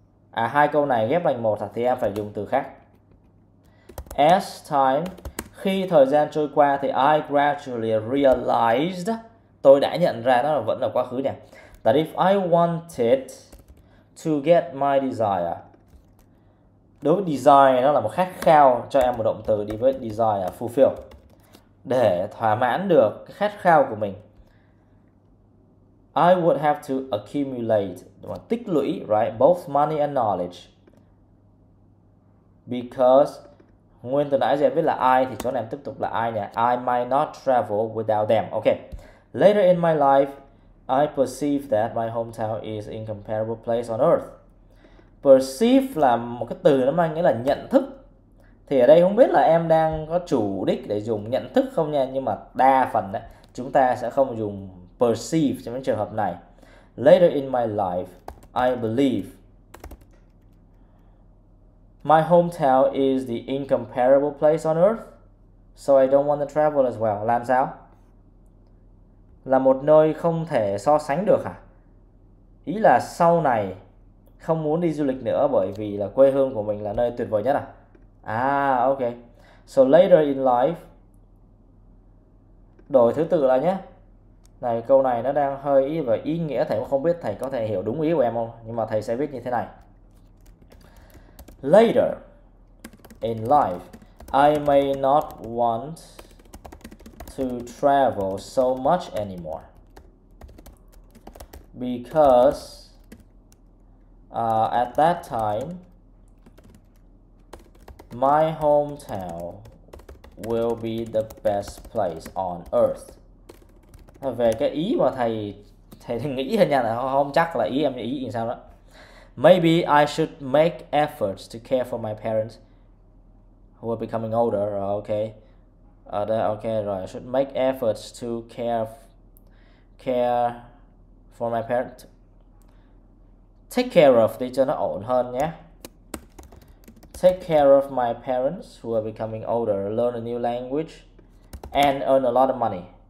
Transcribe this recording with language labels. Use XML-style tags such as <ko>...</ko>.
<vi>À, hai câu này ghép thành một thì em phải dùng từ khác.</vi> <en>As time,</en> <vi>khi thời gian trôi qua thì</vi> <en>I gradually realized,</en> <vi>tôi đã nhận ra nó là vẫn là quá khứ nè.</vi> <en>That if I wanted to get my desire,</en> <vi>đối với desire nó là một khát khao, cho em một động từ đi với desire, fulfill, để thỏa mãn được cái khát khao của mình.</vi> <en>I would have to accumulate, đúng không?</en> <vi>Tích lũy,</vi> <en>right? Both money and knowledge. Because</en> <vi>Nguyên từ nãy giờ viết là I thì chỗ này em tiếp tục là I nhỉ.</vi> <en>I might not travel without them.</en> <vi>Okay.</vi> <en>Later in my life, I perceive that my hometown is an incomparable place on earth.</en> <vi>Perceive là một cái từ nó mang nghĩa là nhận thức. Thì ở đây không biết là em đang có chủ đích để dùng nhận thức không nha, nhưng mà đa phần đấy, chúng ta sẽ không dùng perceive trong những trường hợp này.</vi> <en>Later in my life, I believe my hometown is the incomparable place on earth, so I don't want to travel as well.</en> <vi>Làm sao? Là một nơi không thể so sánh được hả? Ý là sau này không muốn đi du lịch nữa bởi vì là quê hương của mình là nơi tuyệt vời nhất à? À, ok.</vi> <en>So later in life,</en> <vi>đổi thứ tự là nhé. Này, câu này nó đang hơi ý và ý nghĩa, thầy cũng không biết thầy có thể hiểu đúng ý của em không, nhưng mà thầy sẽ viết như thế này.</vi> <en>Later in life, I may not want to travel so much anymore because at that time, my hometown will be the best place on earth.</en> <vi>Về cái ý mà thầy nghĩ thôi nha, là không chắc là ý em ý như sao đó.</vi> <en>Maybe I should make efforts to care for my parents who are becoming older. Okay, rồi. I should make efforts to care for my parents. Take care of</en> <vi>đi cho nó ổn hơn nhé.</vi> <en>Take care of my parents who are becoming older, learn a new language and earn a lot of money.</en>